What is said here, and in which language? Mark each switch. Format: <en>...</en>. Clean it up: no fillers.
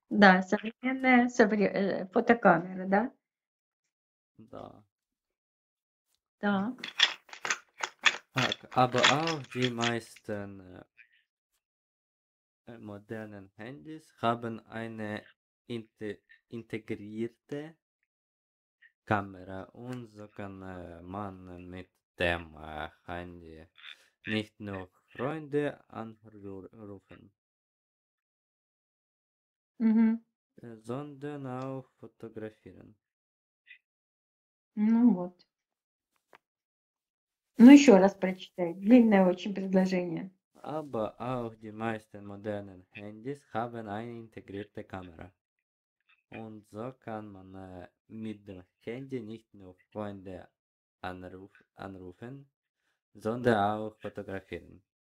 <ru>Да, современная фотокамера, да? Да. Так.</ru> <de>Так, aber auch die meisten modernen Handys haben eine integrierte Kamera und so kann man mit dem Handy nicht nur Freunde anrufen. Зонден ауфотографирован.</de> <ru>Ну вот. Ну еще раз прочитай. Длинное очень предложение.</ru> <de>Aber auch die meisten modernen Handys haben eine integrierte Kamera. Und so kann man mit dem Handy nicht nur Freunde anrufen, sondern auch fotografieren.</de>